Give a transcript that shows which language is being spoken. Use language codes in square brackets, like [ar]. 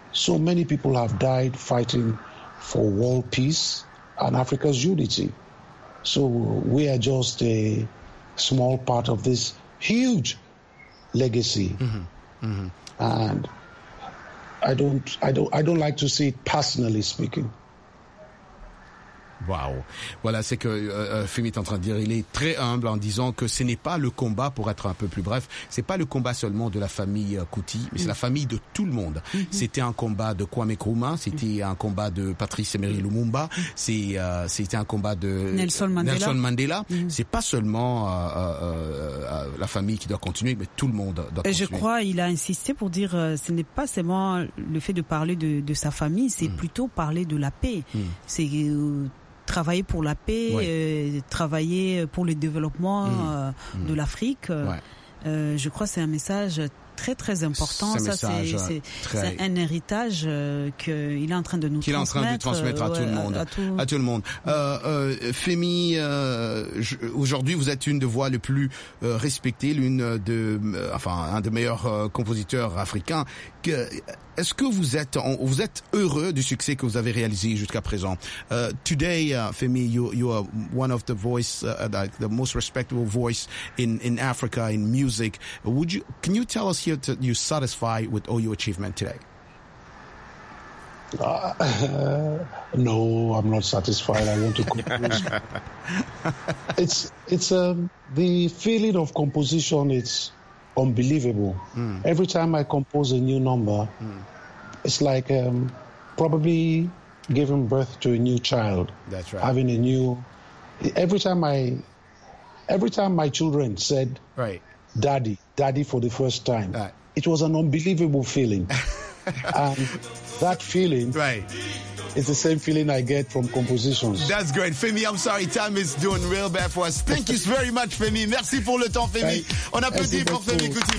[en] So many people have died fighting for world peace and Africa's unity. So we are just a small part of this huge legacy. And I don't like to see it personally speaking. Wow. [fr] Voilà, c'est que Femi est en train de dire, il est très humble en disant que ce n'est pas le combat, pour être un peu plus bref, c'est pas le combat seulement de la famille Kuti, mais c'est la famille de tout le monde. C'était un combat de Kwame Nkrumah, c'était un combat de Patrice Emery Lumumba, c'était un combat de Nelson Mandela. C'est pas seulement la famille qui doit continuer, mais tout le monde doit continuer. Et je crois, il a insisté pour dire ce n'est pas seulement le fait de parler de sa famille, c'est plutôt parler de la paix. C'est travailler pour la paix, travailler pour le développement de l'Afrique. Je crois que c'est un message très, très important. C'est un héritage qu'il est en train de nous transmettre. Qu'il est en train de transmettre à tout le monde. À tout le monde. Femi, aujourd'hui, vous êtes une des voix les plus respectées, un des meilleurs compositeurs africains. Est-ce que vous êtes heureux du succès que vous avez réalisé jusqu'à présent? [en] Today, Femi, you are one of the voice, the most respectable voice in Africa in music. Can you tell us here that you're satisfied with all your achievement today? No, I'm not satisfied. I want to compose. It's the feeling of composition. It's unbelievable. Every time I compose a new number, it's like probably giving birth to a new child. That's right. Having a new... Every time my children said, daddy for the first time, it was an unbelievable feeling. And that feeling... It's the same feeling I get from compositions. That's great. Femi, I'm sorry. Time is doing real bad for us. Thank you very much, Femi. [fr] Merci pour le temps, Femi. On applaudit pour Femi Kuti.